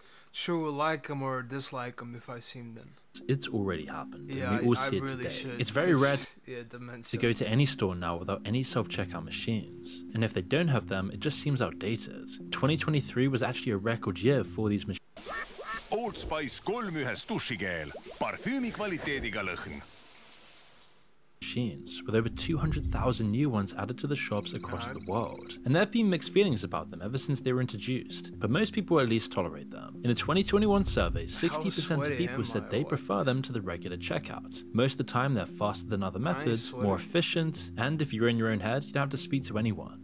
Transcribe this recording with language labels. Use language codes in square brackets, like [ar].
[en] sure, like them or dislike them if I seem them, it's already happened, and we all see it today. It's very rare to go to any store now without any self-checkout machines. And if they don't have them, it just seems outdated. 2023 was actually a record year for these machines. [et] Old Spice 3-1 dušikeel. Parfüümi kvaliteediga lõhn. [en] Machines, with over 200,000 new ones added to the shops across the world. And there have been mixed feelings about them ever since they were introduced, but most people at least tolerate them. In a 2021 survey, 60% of people said they prefer them to the regular checkout. Most of the time, they're faster than other methods, more efficient, and if you're in your own head, you don't have to speak to anyone.